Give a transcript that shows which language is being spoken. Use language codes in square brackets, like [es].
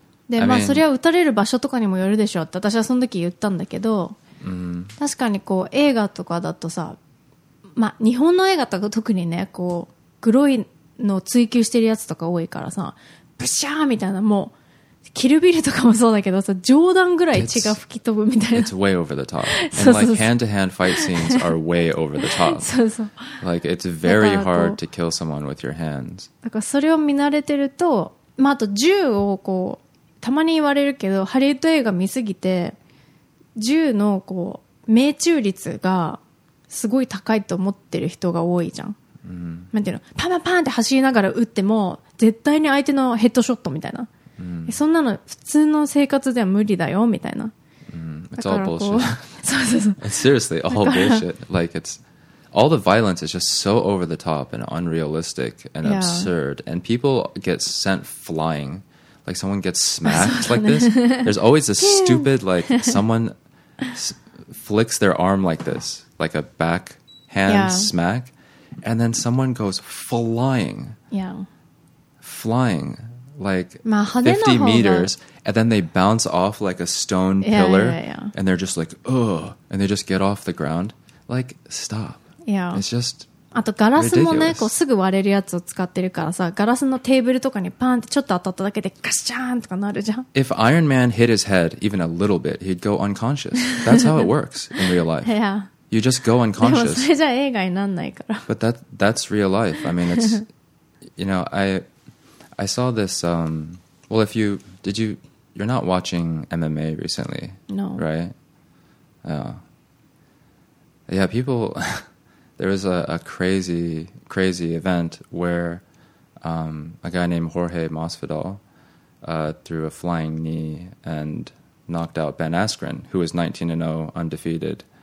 [ja] で、 [en] I mean... [ja] まあそれは撃たれる場所とかにもよるでしょうって私はその時言ったんだけど、 mm-hmm. 確かにこう映画とかだとさまあ日本の映画とか特にねこうグロいのを追求してるやつとか多いからさブシャーみたいなもうキルビルとかもそうだけどさ、冗談ぐらい血が吹き飛ぶみたいな。 [en] It's way over the top. And like hand-to-hand fight scenes are way over the top. [ja] そうそう。 [en] Like it's very hard to kill someone with your hands. [ja] だからそれを見慣れてると、まああと銃をこう、たまに言われるけど、ハリウッド映画見すぎて、銃のこう、命中率がすごい高いと思ってる人が多いじゃん。 Mm-hmm. なんていうの、パンパンパンって走りながら撃っても、絶対に相手のヘッドショットみたいな。 Mm-hmm. そんなの普通の生活では無理だよみたいな。 [en] Mm-hmm. It's all bullshit. [ja] そうそうそう。 [en] Seriously, all bullshit. Like it's all the violence is just so over the top and unrealistic and absurd. Yeah. And people get sent flying. Like someone gets smacked like this. There's always a stupid like someone flicks their arm like this, like a backhand smack, and then someone goes flying. Yeah. Flying. Like 50 meters, and then they bounce off like a stone pillar, and they're just like, ugh, and they just get off the ground. Like, stop. Yeah. It's just ridiculous. [ja] あとガラスもね、こうすぐ割れるやつを使ってるからさ、ガラスのテーブルとかにパンってちょっと当たっただけでガシャーンとかなるじゃん。 [en] If Iron Man hit his head even a little bit, he'd go unconscious. That's how it works in real life. Yeah. You just go unconscious. [ja] でもそれじゃ映画になんないから。 [en] But that's real life. I mean, it's, you know, I saw this, well, if you, did you, you're not watching MMA recently. No. Right? Yeah, people, there was a crazy, crazy event where a guy named Jorge Masvidal threw a flying knee and knocked out Ben Askren, who was 19-0 undefeated.